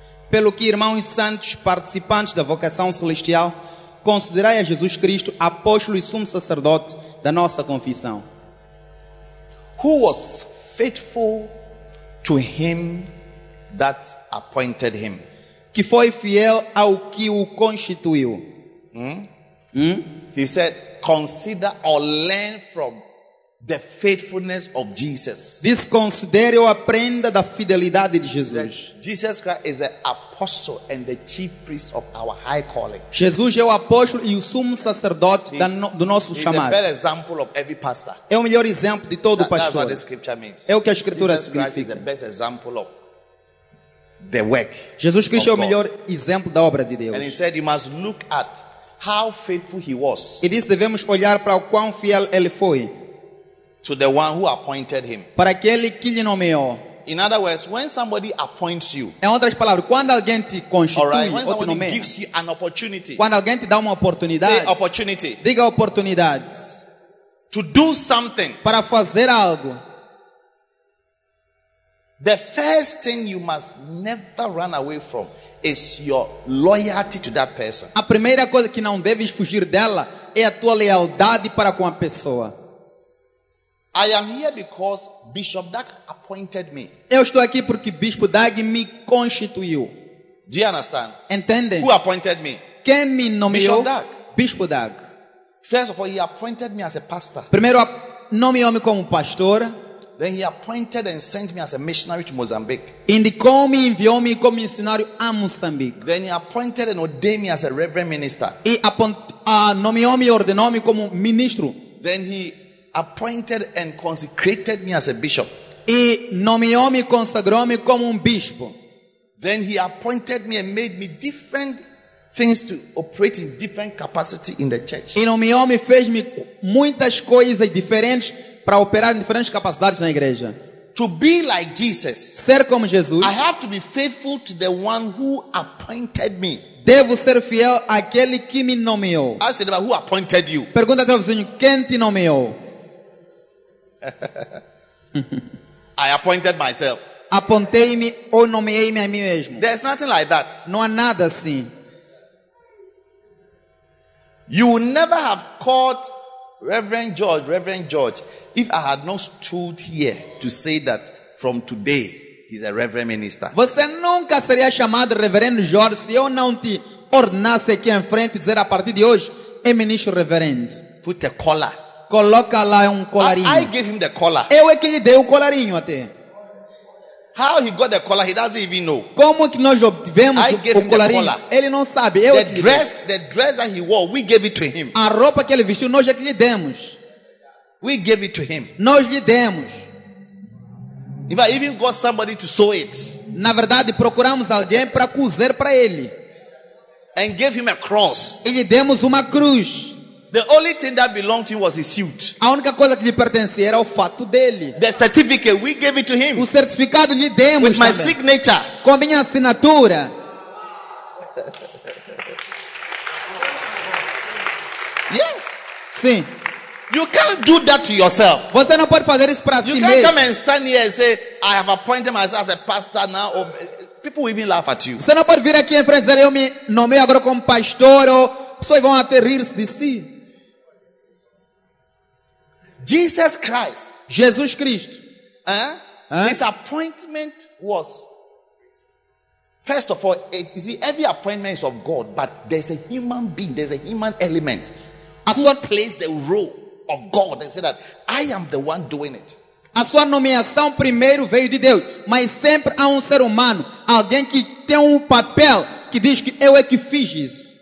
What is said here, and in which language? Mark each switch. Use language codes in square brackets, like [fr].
[pt] Pelo que, irmãos santos, participantes da vocação celestial, considerai a Jesus Cristo, apóstolo e sumo sacerdote da nossa confissão. [en] Who was faithful to him that appointed him. [pt] Que foi fiel ao que o constituiu. [en] He said, consider or learn from the faithfulness of Jesus. [pt] Desconsidere ou aprenda da fidelidade de Jesus. [en] Jesus Christ is the apostle and the chief priest of our high calling. [pt] Jesus é o apóstolo e o sumo sacerdote do nosso chamado. [en] He's the better example of every pastor. [pt] É o melhor exemplo de todo pastor. [en] That's what the scripture means. [pt] É o que a escritura Jesus significa. [en] Christ is the best example of the work. [pt] Jesus Cristo é o melhor exemplo da obra de Deus. [en] And he said you must look at how faithful he was. [pt] E disse devemos olhar para o quão fiel ele foi. [en] To the one who appointed him. [pt] Para aquele que lhe nomeou. [en] In other words, when somebody appoints you, [pt] em outras palavras, quando alguém te constitui, [en] right, when somebody [pt] nome, [en] gives you an opportunity, [pt] quando alguém te dá uma oportunidade, [en] say opportunity, [pt] diga oportunidade, [en] to do something, [pt] para fazer algo, [en] the first thing you must never run away from is your loyalty to that person. [pt] A primeira coisa que não deves fugir dela é a tua lealdade para com a pessoa. [en] I am here because Bishop Doug appointed me. [pt] Eu estou aqui porque Bispo Doug me constituiu. [en] Do you understand? [pt] Entende? [en] Who appointed me? [pt] Quem me nomeou? [en] Bishop Doug. [pt] Bispo Doug. [en] First of all, he appointed me as a pastor. [pt] Primeiro nomeou-me como pastor. [en] Then he appointed and sent me as a missionary to Mozambique. [pt] Indicou-me e enviou-me como missionário a Moçambique. [en] Then he appointed and ordained me as a reverend minister. [pt] E nomeou-me e ordenou-me como ministro. [en] Then he appointed and consecrated me as a bishop. [pt] E nomeou-me e consagrou-me como bispo. [en] Then he appointed me and made me different things to operate in different capacity in the church. [pt] E nomeou-me e fez-me muitas coisas diferentes para operar em diferentes capacidades na igreja. [en] To be like Jesus, [pt] ser como Jesus, [en] I have to be faithful to the one who appointed me. [pt] Devo ser fiel àquele que me nomeou. [en] Ask the neighbor, who appointed you? [pt] Pergunta ao vizinho, quem te nomeou? [en] I appointed myself. [pt] Apontei-me ou nomeei-me a mim mesmo. [en] There's nothing like that. [pt] Não há nada assim. [en] You would never have called Reverend George, Reverend George, if I had not stood here to say that from today he's a reverend minister. [pt] Você nunca seria chamado Reverendo Jorge se eu não te ordenasse aqui em frente e dizer a partir de hoje é ministro reverendo. [en] Put a collar. [pt] Coloca lá colarinho. [en] I gave him the collar. [pt] Eu é que lhe dei o colarinho até. [en] How he got the collar, he doesn't even know. [pt] Como que nós obtivemos o colarinho? [en] Collar. [pt] Ele não sabe. Eu [en] the dress, the dress that he wore, we gave it to him. [pt] A roupa que ele vestiu, nós é que lhe demos. [en] We gave it to him. [pt] Nós lhe demos. [en] If I even got somebody to sew it. [pt] Na verdade, procuramos alguém para cozer para ele. [en] And gave him a cross. [pt] E lhe demos uma cruz. [en] The only thing that belonged to him was his suit. [pt] A única coisa que lhe pertencia era o fato dele. [en] The certificate, we gave it to him. [pt] O certificado lhe demos. [en] With my signature. [pt] Com a minha assinatura. [en] Yes. [pt] Sim. [en] You can't do that to yourself. [pt] Você não pode fazer isso para si mesmo. [en] You can't come and stand here and say, I have appointed myself as a pastor now. People will even laugh at you. [pt] Você não pode vir aqui em frente e dizer, eu me nomeei agora como pastor. Ou pessoas vão até rir-se de si. [en] Jesus Christ. [pt] Jesus Cristo. [en] His appointment was, first of all, you see, every appointment is of God, but there's a human being, there's a human element. [pt] As [en] God plays the role of God and say that I am the one doing it. [pt] A sua nomeação primeiro veio de Deus, mas sempre há ser humano, alguém que tem papel que diz que eu é que fiz isso.